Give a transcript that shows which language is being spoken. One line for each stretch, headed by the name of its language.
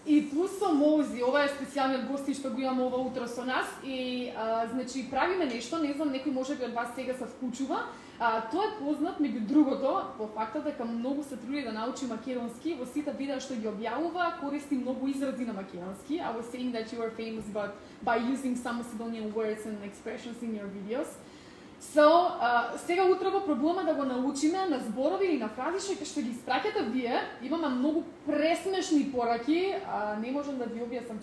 Macedonian: tu со Мози, ова е специјалниот гости што го имаме ова утро со нас и значи правиме нешто, не знам некој може би од вас сега се вклучува. Тоа е познат меѓу другото по фактот дека многу се труди да научи македонски во сите видеа што ги објавува, користи многу изрази на македонски.
English: I was saying that you are famous but by using some Macedonian words and expressions in your videos.
Macedonian: So, сега утрово пробуваме да го научиме на зборови или на фрази што ги испраќате вие. Имаме многу пресмешни пораки, не можам да ви објаснам.